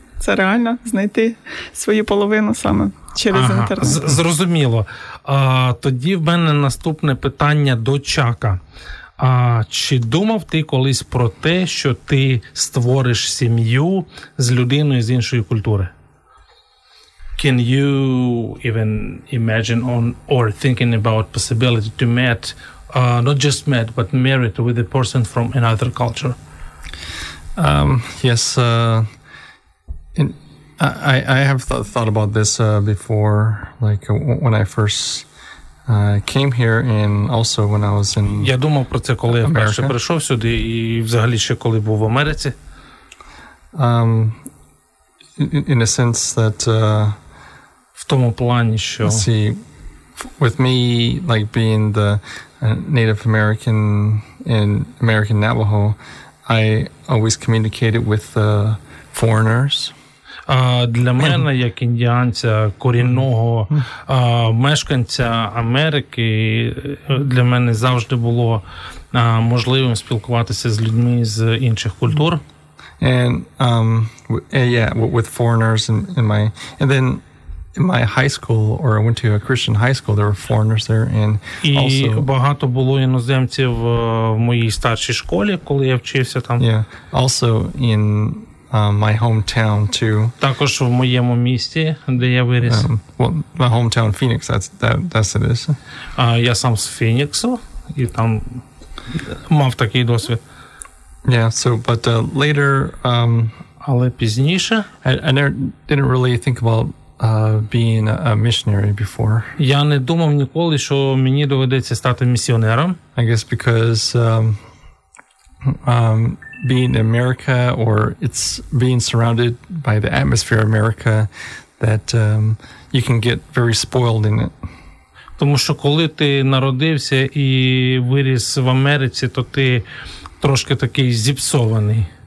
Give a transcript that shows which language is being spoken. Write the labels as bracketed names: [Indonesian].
[Ukrainian] Це реально, знайти свою половину саме через інтернет. Зрозуміло. Тоді в мене наступне питання до Чака. Чи думав ти колись про те, що ти створиш сім'ю з людиною з іншої культури? [English] Can you even imagine on or thinking about possibility to meet, not just meet, but married with a person from another culture? Yes, I have thought about this before, like when I first came here, and also when I was in America. [Ukrainian] Я думав про це, коли я вперше прийшов сюди, і взагалі ще коли був в Америці. [English] In a sense that [Ukrainian] в тому плані, що [English] let's see, with me like being the Native American and American Navajo, I always communicated with the foreigners. [Ukrainian] Для мене, як індіанця, корінного мешканця Америки, для мене завжди було можливим спілкуватися з людьми з інших культур. [English] And yeah, with foreigners in my high school, or I went to a Christian high school, there were foreigners there, and [Ukrainian] і багато було іноземців в моїй старшій школі, коли я вчився там. [English] Yeah, also in my hometown too. [Ukrainian] Також в моєму місті, де я виріс. [English] My hometown Phoenix, that's it is. [Ukrainian] Я сам з Фініксу і там мав такий досвід. [English] Yeah, so but later [Ukrainian] але пізніше [English] I never didn't really think about being a missionary before. [Ukrainian] Я не думав ніколи, що мені доведеться стати місіонером. [English] I guess because being in America, or it's being surrounded by the atmosphere of America, that you can get very spoiled in it. [Ukrainian] Тому що коли ти народився і виріс в Америці, то ти трошки такий зіпсований.